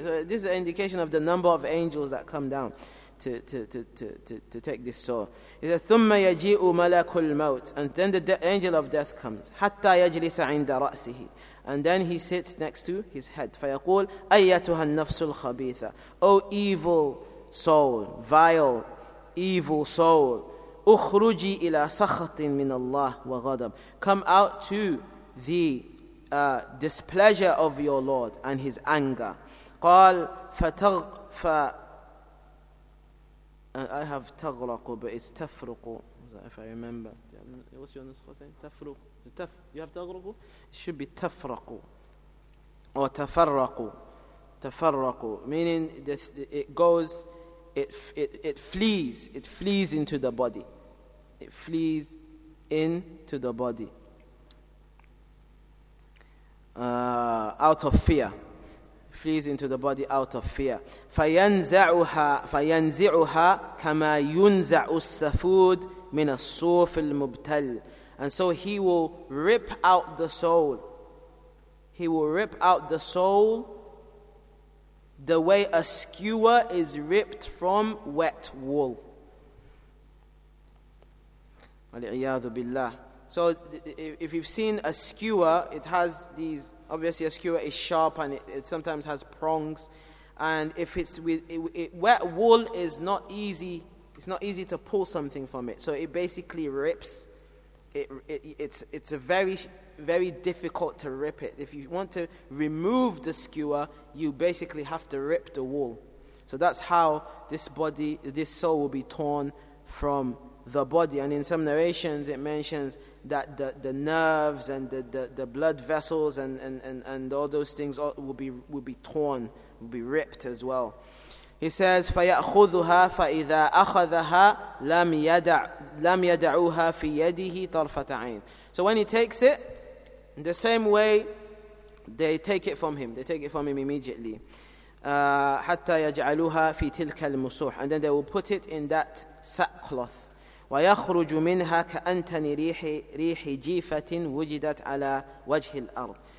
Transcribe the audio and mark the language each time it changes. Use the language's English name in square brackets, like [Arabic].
[English] So this is an indication of the number of angels that come down to take this soul. It says, [Arabic] ثُمَّ يَجِئُ مَلَكُ الْمَوْتِ. [English] And then the angel of death comes. [Arabic] حَتَّى يَجْلِسَ عِنْدَ رَأْسِهِ. [English] And then he sits next to his head. [Arabic] فَيَقُولْ أَيَّتُهَا النَّفْسُ الْخَبِيثَةِ. [English] Oh, evil soul, vile, evil soul. [Arabic] أخرجي إلى سخط من الله وغضب. [English] Come out to the displeasure of your Lord and His anger. [Arabic] قال فتغ ف [English] I have [Arabic] تغرق [English] but it's [Arabic] تفرق. [English] If I remember, what's your نسخة saying? [Arabic] تفرق. [English] You have تغرق. It should be تفرق or تفرق. تفرق meaning it goes, it flees, it flees into the body. It flees into the body out of fear. flees into the body out of fear. [Arabic] فينزعها فينزعها كما ينزع السفود من الصوف المبتل. [English] And so he will rip out the soul. He will rip out the soul the way a skewer is ripped from wet wool. [Arabic] وَالْعِيَاذُ بِاللَّهِ. [English] So if you've seen a skewer, it has these, obviously a skewer is sharp and it sometimes has prongs. And if it's wet wool is not easy, it's not easy to pull something from it. So it basically rips. It's a very, very difficult to rip it. If you want to remove the skewer, you basically have to rip the wool. So that's how this body, this soul will be torn from the body. And in some narrations it mentions that the nerves and the blood vessels and all those things will be torn, will be ripped as well. He says, [Arabic] فَيَأْخُذُهَا فَإِذَا أَخَذَهَا لَمْ يَدَعُوهَا فِي يَدِهِ طَرْفَةَ عَيْنٍ. [English] So when he takes it, in the same way, they take it from him. They take it from him immediately. [Arabic] حَتَّى يَجْعَلُوهَا فِي تِلْكَ الْمُسُوحِ. [English] And then they will put it in that sackcloth. [Arabic] وَيَخْرُجُ مِنْهَا كَأَنْتَنِ رِيحِ جِيفَةٍ وُجِدَتْ عَلَى وَجْهِ الْأَرْضِ.